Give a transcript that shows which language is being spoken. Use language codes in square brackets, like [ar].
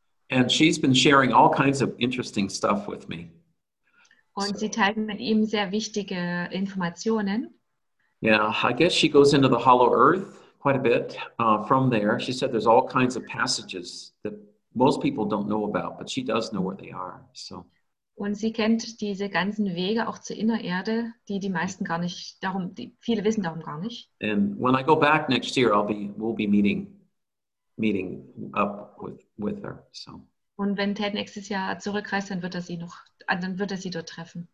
[en] And she's been sharing all kinds of interesting stuff with me. [de] Und sie teilt mit ihm sehr wichtige Informationen. [en] Yeah, I guess she goes into the hollow earth quite a bit from there. She said there's all kinds of passages that most people don't know about, but she does know where they are. So. [de] Und sie kennt diese ganzen Wege auch zur Innererde, die meisten gar nicht, viele wissen darum gar nicht. [en] And when I go back next year, we'll be meeting up with her. So. [de] Und wenn Ted nächstes Jahr zurückreist, dann wird er sie dort treffen.